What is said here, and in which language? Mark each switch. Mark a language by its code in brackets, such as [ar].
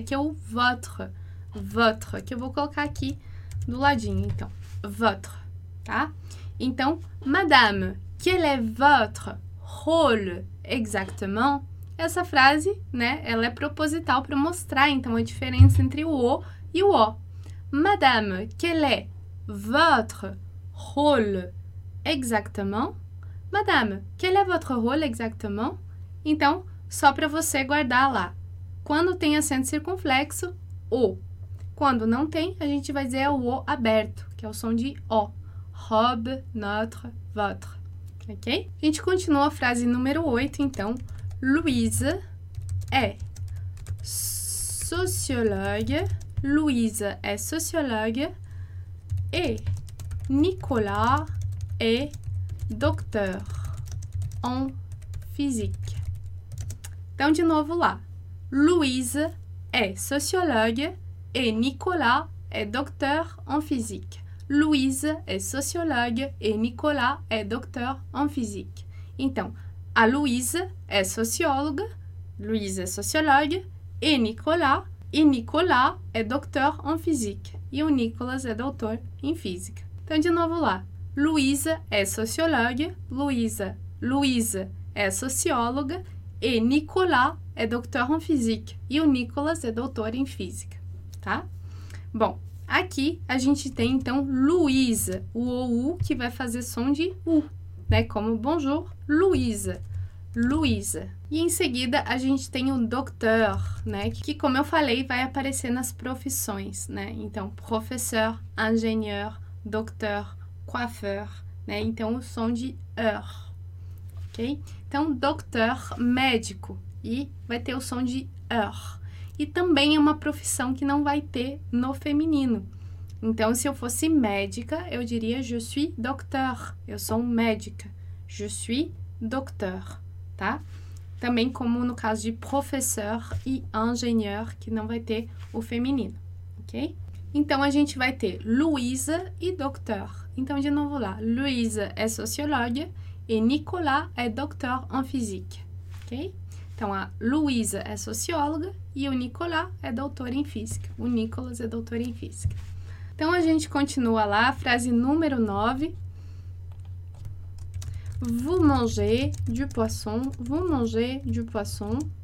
[pt] Que é o votre, votre, que eu vou colocar aqui do ladinho, então. [fr] Votre, [pt] tá? Então, [fr] madame, quel est votre rôle exactement? [pt] Essa frase, né, ela é proposital para mostrar, então, a diferença entre o O e o O. [fr] Madame, quel est votre rôle exactement? Madame, quel est votre rôle exactement? [pt] Então, só para você guardar lá. Quando tem acento circunflexo, O. Quando não tem, a gente vai dizer o O aberto, que é o som de O. Robe, notre, votre. Ok? A gente continua a frase número 8, então. [fr] Louise é sociologue. Louise é sociologue. E Nicolas é docteur en physique. [pt] Então, de novo lá. Louise é sociologue e Nicolas [fr] est docteur en physique. Louise est sociologue et Nicolas est docteur en physique. [pt] Então, a Louise é socióloga, Louise é sociologue e Nicolas [fr] est docteur en physique. [pt] E o Nicolas é doutor em física. Então, de novo lá. Louise é sociologue, Louise é socióloga e Nicolas [fr] est docteur en physique. [pt] E o Nicolas é doutor em física, tá? Bom, aqui a gente tem, então, Louise, o OU que vai fazer som de U, né? Como bonjour, Louise, Louise. E em seguida a gente tem o docteur, né? Que, como eu falei, vai aparecer nas profissões, né? Então, professeur, ingénieur, docteur, coiffeur, né? Então, o som de ER, ok? Então, docteur, médico, e vai ter o som de ER. E também é uma profissão que não vai ter no feminino. Então, se eu fosse médica, eu diria [fr] je suis docteur. [pt] Eu sou médica. [fr] Je suis docteur, [pt] tá? Também como no caso de professeur e ingénieur, que não vai ter o feminino, ok? Então, a gente vai ter Louise e docteur. Então, de novo lá. [fr] Louise é sociologue e Nicolas é docteur en physique, ok? [pt] Então, a Louise é socióloga e o Nicolas é doutor em física. O Nicolas é doutor em física. Então, a gente continua lá, frase número 9. [fr] Vous mangez du poisson, vous mangez du poisson.